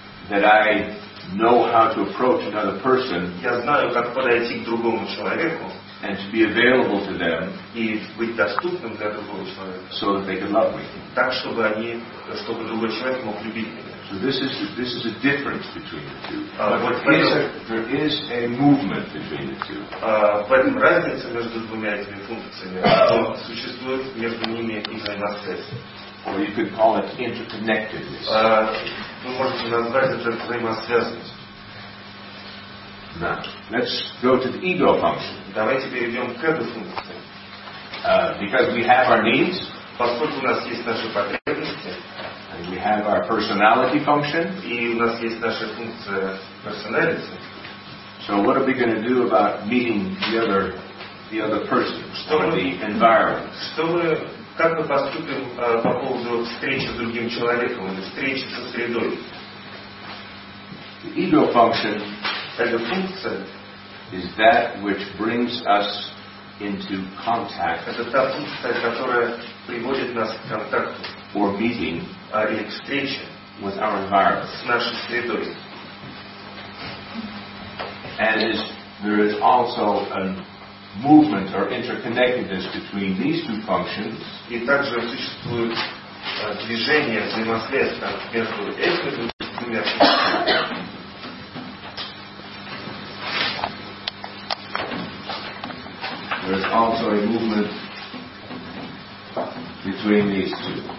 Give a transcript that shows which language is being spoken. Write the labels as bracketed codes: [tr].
[en] that I know how to approach another person. [ru] Я знаю, как подойти к другому человеку. [en] And to be available to them. [ru] И быть доступным для другого человека. [en] So that they can love me. [ru] Так чтобы они, чтобы другой человек мог любить меня. [en] So this is a difference between the two. There is a movement between the two. [ru] Поэтому разница между двумя этими функциями существует между ними и взаимосвязь. [en] Or you could call it interconnectedness. [ru] Вы можете назвать это взаимосвязанность. [en] Now, let's go to the ego function. [ru] Давайте перейдем к этой функции. [en] Because we have our needs. [ru] Поскольку у нас есть наши потребности. [en] And we have our personality function. [ru] И у нас есть наша функция personality. [en] So what are we going to do about meeting the other person? [ru] Что [en] or [ru] мы, [en] the environment? [ru] Что мы, как мы поступим по поводу встречи с другим человеком или встречи со средой? [en] The ego function. [ru] Эта функция [en] is that which brings us into contact. [ru] Это та функция, которая приводит нас к контакту. [en] Or meeting. [ru] Или к встрече. [en] With our environment. [ru] С нашей средой. [en] And there is also a movement or interconnectedness between these two functions. [ru] И также существует движение, взаимосвязь между этими двумя функциями. [en] There's also a movement between these two.